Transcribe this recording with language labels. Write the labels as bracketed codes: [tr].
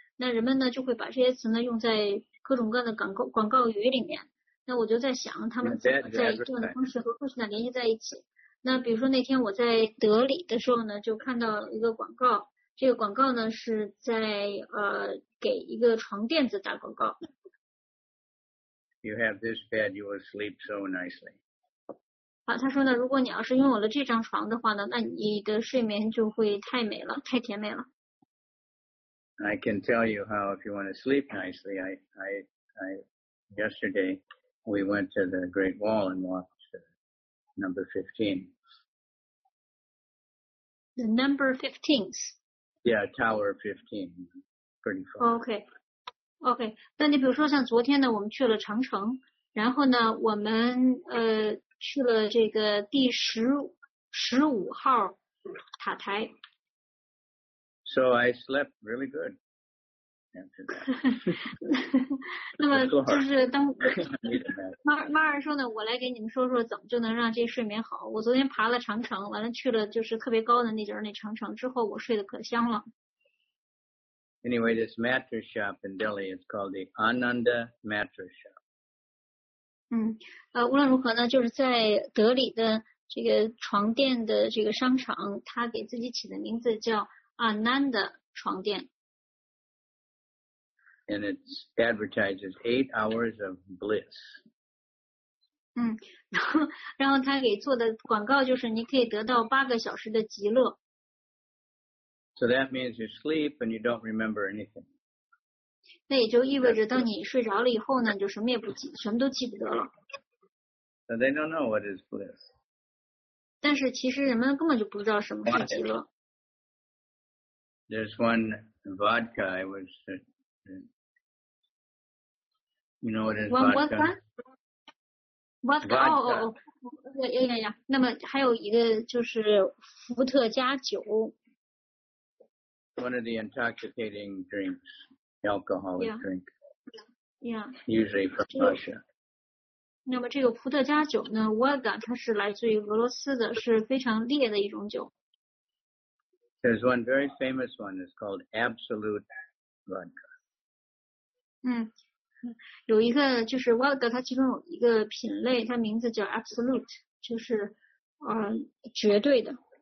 [zh] 那人们呢就会把这些词呢用在各种各样的广告语里面。那我就在想，他们怎么在这样的方式和 Krishna 联系在一起？那比如说那天我在德里的时候呢，就看到一个广告。这个广告呢是在给一个床垫子打广告。 [en] You have this bed, you will sleep so nicely. [zh] 啊，他说呢，如果你要是拥有了这张床的话呢，那你的睡眠就会太美了，太甜美了。 [en] I can tell you how if you want to sleep nicely, I yesterday we went to the Great Wall and walked to number 15. The number 15th? Yeah, tower 15. Pretty far. Okay. [zh] 那你比如说像昨天呢我们去了长城然后呢我们去了这个第15号塔台。 [en] So I slept really good. After that. [zh] 那么就是当马尔说呢，我来给你们说说怎么就能让这睡眠好。我昨天爬了长城，完了去了就是特别高的那节那长城之后，我睡得可香了。 [en] Anyway, this mattress shop in Delhi is called the Ananda Mattress Shop. [zh] 无论如何呢，就是在德里的这个床垫的这个商场，他给自己起的名字叫。 Ananda 床垫 [en] and it advertises 8 hours of bliss. [zh] 然后他给做的广告就是你可以得到八个小时的极乐。 [en] So that means you sleep and you don't remember anything. [zh] 那也就意味着当你睡着了以后呢，你就什么也不记，什么都记不得了。 [en] So they don't know what is bliss. [zh] 但是其实人们根本就不知道什么是极乐。 [en] this one vodka, I was, you know what is vodka? Vodka, oh, oh, oh, yeah, yeah. [zh] 那么还有一个就是伏特加酒。 [en] One of the intoxicating drinks, alcoholic yeah. drink. Yeah. Usually from Russia. [zh] 那么这个伏特加酒呢 ,Vodka, 它是来自于俄罗斯的，是非常烈的一种酒。 [en] There's one very famous one, it's called Absolute Vodka. [zh] 嗯，有一个就是 Vodka, 它其中有一个品类，它名字叫 Absolute, 就是绝对的。